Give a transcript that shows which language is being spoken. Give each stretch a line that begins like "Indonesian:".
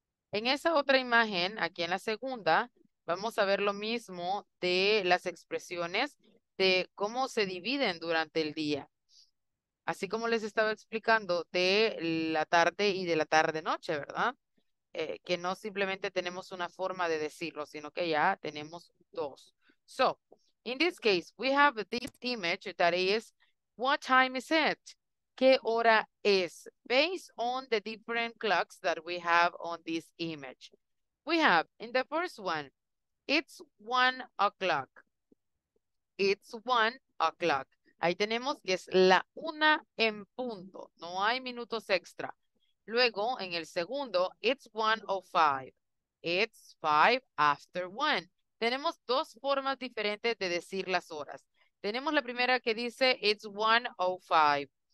Spanish: En esa otra imagen, aquí en la segunda, vamos a ver lo mismo de las expresiones de cómo se dividen durante el día. Así como les estaba explicando de la tarde y de la tarde-noche, ¿verdad? Que no simplemente tenemos una forma de decirlo, sino que ya tenemos dos.
English: So, in this case, we have this image that is, what time is it?
Spanish: ¿Qué hora es?
English: Based on the different clocks that we have on this image. We have, in the first one, it's 1 o'clock. It's 1 o'clock.
Spanish: Ahí tenemos que es la una en punto. No hay minutos extra. Luego, en el segundo,
English: it's 1:05. It's 1:05.
Spanish: Tenemos dos formas diferentes de decir las horas. Tenemos la primera que dice
English: it's 1:05.